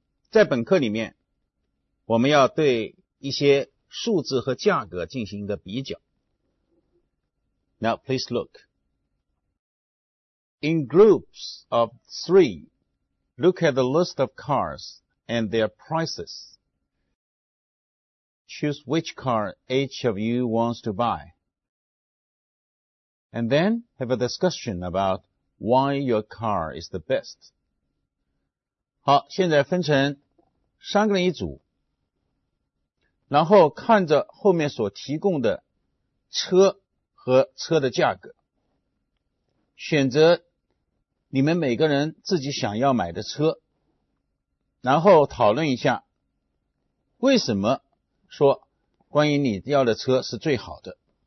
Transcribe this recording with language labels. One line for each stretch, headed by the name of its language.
Chinese: 在本课里面，我们要对一些数字和价格进行一个比较。
English: Now please look. In groups of three, look at the list of cars and their prices. Choose which car each of you wants to buy. And then have a discussion about why your car is the best.
Chinese: 好，现在分成三个人一组，然后看着后面所提供的车和车的价格，选择你们每个人自己想要买的车，然后讨论一下为什么说关于你要的车是最好的。